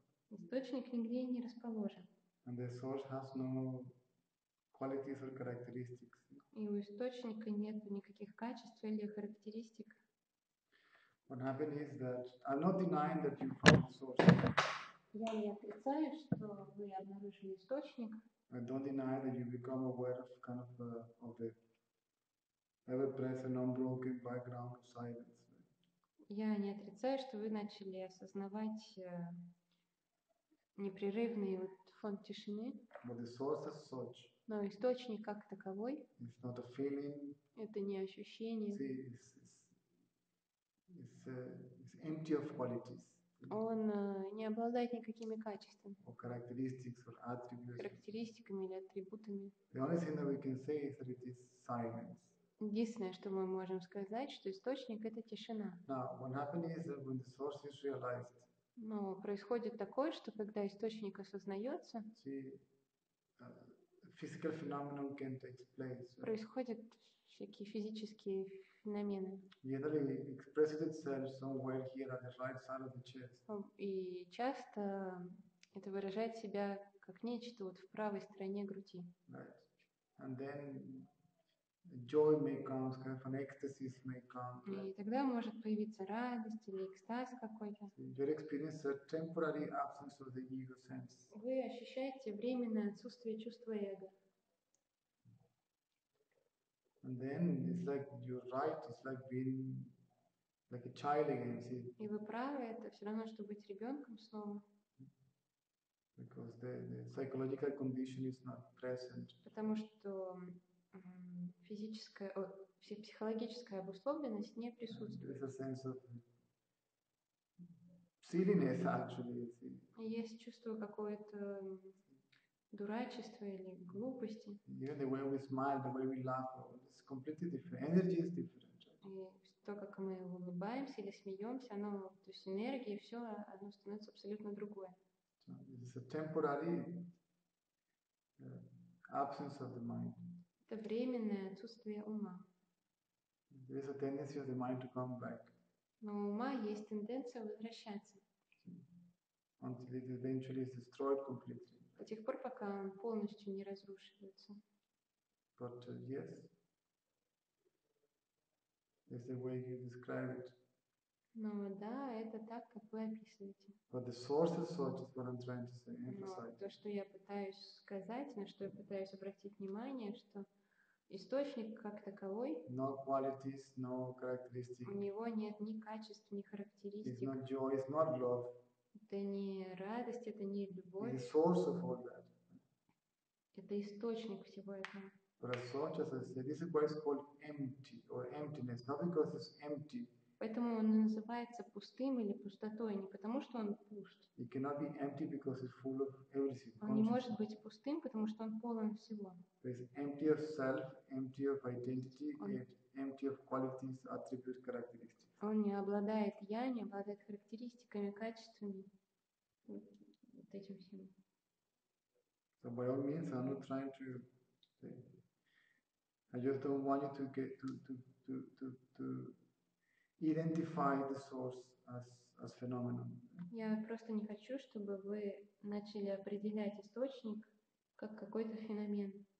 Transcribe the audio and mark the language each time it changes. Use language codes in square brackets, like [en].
[ru] Источник нигде не расположен. [en] And the source has no qualities or characteristics. [ru] И у источника нет никаких качеств или характеристик. [en] What happened is that I'm not denying that you found the source. [ru] Я не отрицаю, что вы обнаружили источник. [en] I don't deny that you become aware of kind of of the ever-present, unbroken background of silence. [ru] Я не отрицаю, что вы начали осознавать непрерывный фон тишины. [en] But the source is such. [ru] Но источник как таковой. [en] It's not a feeling. [ru] Это не ощущение. [en] See, it's empty of qualities. [ru] Он не обладает никакими качествами. [en] Or characteristics or attributes. [ru] Характеристиками или атрибутами. [en] The only thing that we can say is that it is silence. [ru] Единственное, что мы можем сказать, что источник — это тишина. [en] Now, what happened is that when the source is realized. [ru] Но происходит такое, что когда источник осознается, [en] see, physical phenomenon can take place. [ru] Происходят всякие физические феномены. [en] Generally expresses itself somewhere here at the right side of the chest. [ru] И часто это выражает себя как нечто вот в правой стороне груди. [en] Right. And then joy may come, kind of an ecstasy may come. [ru] И тогда может появиться радость или экстаз какой-то. [en] You experience a temporary absence of the ego sense. [ru] Вы ощущаете временное отсутствие чувства эго. [en] And then it's like you're right, it's like being like a child again, see. [ru] И вы правы, это все равно, что быть ребенком снова. [en] Because the psychological condition is not present. [ru] Потому что физическая, психологическая обусловленность не присутствует. [en] There's a sense of silliness, actually, see. [ru] Есть чувство какое-то дурачества или глупости. [en] Yeah, the way we smile, the way we laugh, it's completely different. Energy is different. [ru] И то, как мы улыбаемся или смеемся, оно, то есть энергия, все оно становится абсолютно другое. [en] So this is a temporary absence of the mind. [ru] Это временное отсутствие ума. [en] There is a tendency of the mind to come back. [ru] Но у ума есть тенденция возвращаться. [en] Until it eventually is destroyed completely. [ru] До тех пор, пока он полностью не разрушивается. [en] But yes, that's the way you describe it. [ru] Но да, это так, как вы описываете. [en] But the source is such, is what I'm trying to say, emphasize. [ru] То, что я пытаюсь сказать, на что я пытаюсь обратить внимание, что источник как таковой. [en] No qualities, no characteristics. [ru] У него нет ни качеств, ни характеристик. [en] It's not joy, it's not love. [ru] Это не радость, это не любовь. [en] It's the source of all that. [ru] Это источник всего этого. [en] But as such, as I said, this is why it's called empty or emptiness, not because it's empty. [ru] Поэтому он называется пустым или пустотой, не потому что он пуст. [en] It cannot be empty because it's full of everything. [ru] Он не может быть пустым, потому что он полон всего. [en] It's empty of self, empty of identity, empty of qualities, attributes, characteristics. [ru] Он не обладает я, не обладает характеристиками, качествами, вот этим всем. [en] So by all means, I'm not trying to say. I just don't want you to get to identify the source as as phenomenon. [ru] Я просто не хочу, чтобы вы начали определять источник как какой-то феномен.